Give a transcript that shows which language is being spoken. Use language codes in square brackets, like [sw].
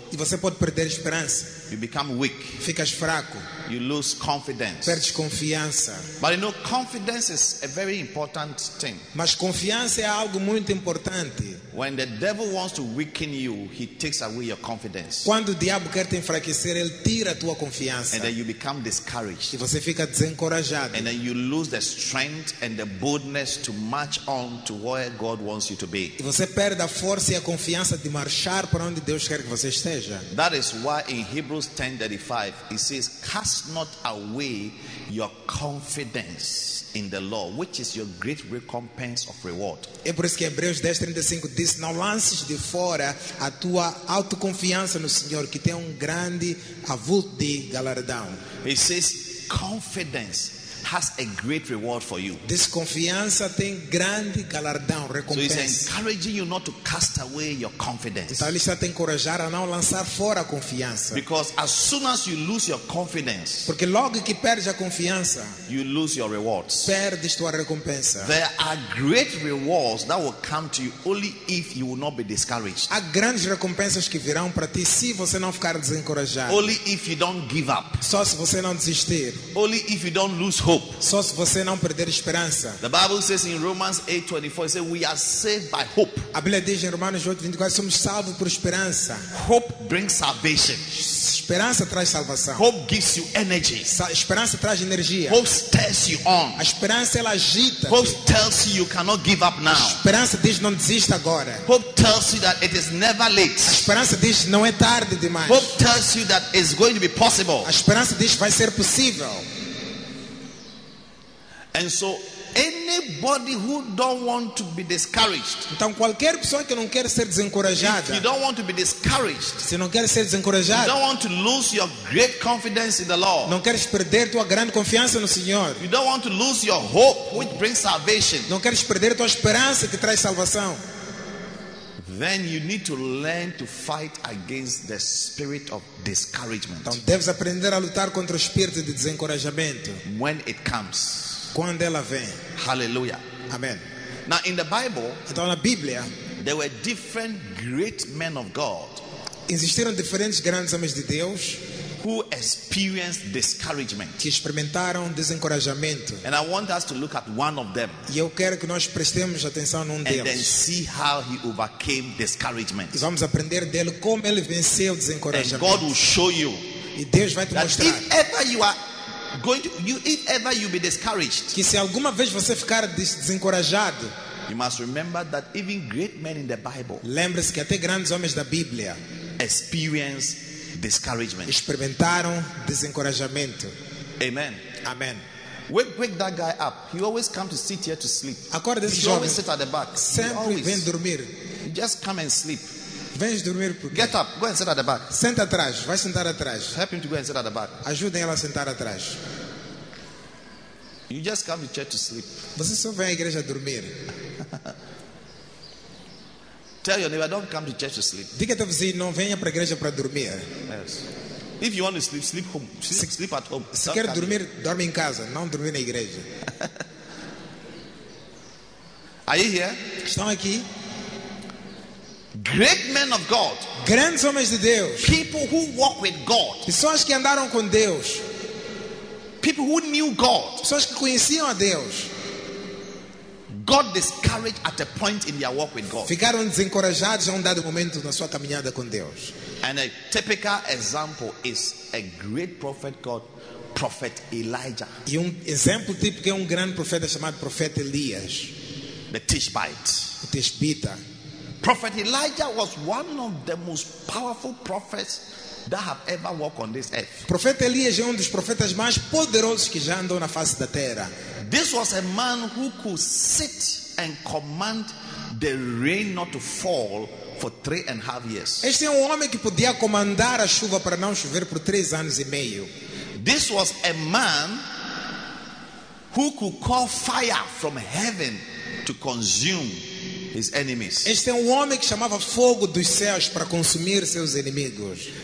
[pt] E você pode perder esperança. [en] You become weak. [pt] Ficas fraco. [en] You lose confidence. [pt] Perdes confiança. [en] But you know, confidence is a very important thing. [pt] Mas confiança é algo muito importante. [en] When the devil wants to weaken you, he takes away your confidence. [pt] Quando o diabo quer te enfraquecer, ele tira a tua confiança. [en] And then you become discouraged. [pt] E você fica desencorajado. [en] And then you lose the strength and the boldness to march on to where God wants you to be. [pt] E você perde a força e a confiança de marchar para onde Deus quer que você esteja. [en] That is why in Hebrews 10:35 it says, "Cast not away your confidence in the Lord, which is your great recompense of reward." [pt] É por isso que Hebreus 10:35 diz: "Não lances de fora a tua autoconfiança no Senhor, que tem grande avulto de galardão." [en] He says, "Confidence has a great reward for you." [pt] Desconfiança tem grande galardão, recompensa. [en] So he's encouraging you not to cast away your confidence. [pt] Então ele está te encorajando a não lançar fora a confiança. [en] Because as soon as you lose your confidence, [pt] porque logo que perde a confiança, [en] you lose your rewards. [pt] Perdes tua recompensa. [en] There are great rewards that will come to you only if you will not be discouraged. [pt] Há grandes recompensas que virão para ti se você não ficar desencorajado. [en] Only if you don't give up. [pt] Só se você não desistir. [en] Only if you don't lose hope. [pt] Só se você não perder esperança. [en] The Bible says in Romans 8:24, it says we are saved by hope. [pt] A Bíblia diz em Romanos 8:24, somos salvos por esperança. [en] Hope brings salvation. [pt] Esperança traz salvação. [en] Hope gives you energy. [pt] Esperança traz energia. [en] Hope stirs you on. [pt] A esperança ela agita. [en] Hope tells you you cannot give up now. [pt] Esperança diz não desista agora. [en] Hope tells you that it is never late. [pt] Esperança diz não é tarde demais. [en] Hope tells you that it's going to be possible. [pt] A esperança diz vai ser possível. [en] And so anybody who don't want to be discouraged. [pt] Então qualquer pessoa que não quer ser desencorajada. [en] If you don't want to be discouraged. [pt] Se não quer ser desencorajado. [en] You don't want to lose your great confidence in the Lord. [pt] Não queres perder tua grande confiança no Senhor. [en] You don't want to lose your hope which brings salvation. [pt] Não queres perder tua esperança que traz salvação. [en] Then you need to learn to fight against the spirit of discouragement. [pt] Então deves aprender a lutar contra o espírito de desencorajamento. [en] When it comes. [pt] Quando ela vem. Hallelujah. Amen. [en] Now in the Bible, [pt] então, na Bíblia, [en] there were different great men of God. [pt] Existiram diferentes grandes homens de Deus [en] who experienced discouragement. [pt] Que experimentaram desencorajamento. [en] And I want us to look at one of them. [pt] E eu quero que nós prestemos atenção num deles. [en] And then see how he overcame discouragement. [pt] E vamos aprender dele como ele venceu o desencorajamento. [en] And God will show you. [pt] E Deus vai te mostrar. [en] If ever you are going to you, if ever you be discouraged, [pt] que se alguma vez você ficar desencorajado, [en] you must remember that even great men in the Bible, [pt] lembre-se que até grandes homens da Bíblia, [en] experience discouragement, [pt] experimentaram desencorajamento. Amen. Amen. [en] Wake that guy up. He always comes to sit here to sleep. [pt] Acorda esse jovem. [en] He always sits at the back. [pt] Sempre vem dormir. [en] Just come and sleep. [pt] Vem dormir porque. [en] Get up, go and sit at the back. [pt] Senta atrás, vai sentar atrás. [en] Help him to go and sit at the back. [pt] Ajudem ela a sentar atrás. [en] You just come to church to sleep. [pt] Você só vem à igreja dormir. [en] Tell your neighbor, don't come to church to sleep. [pt] Diga ao teu vizinho, não venha para a igreja para dormir. [en] Yes. If you want to sleep, sleep home. Sleep at home. [pt] Se quer dormir, dorme em casa, não dormir na igreja. [en] Are you here? [pt] Estão aqui? [en] Great men of God, [pt] grandes homens de Deus, [en] people who walk with God, [pt] pessoas que andaram com Deus, [en] people who knew God, [pt] pessoas que conheciam a Deus, [en] got discouraged at a point in their walk with God. [pt] Ficaram desencorajados a dado momento na sua caminhada com Deus. [en] And a typical example is a great prophet called Prophet Elijah. [pt] E exemplo típico é grande profeta chamado Profeta Elias. [en] The Tishbite. [pt] O Tishbita. [en] Prophet Elijah was one of the most powerful prophets that have ever walked on this earth. [pt] Profeta Elias é dos profetas mais poderosos que já andou na face da terra. [en] This was a man who could sit and command the rain not to fall for 3.5 years. [pt] Este é homem que podia comandar a chuva para não chover por 3 anos e meio. [en] This was a man who could call fire from heaven to consume his enemies. [pt] Este é homem que chamava fogo dos céus para consumir seus inimigos.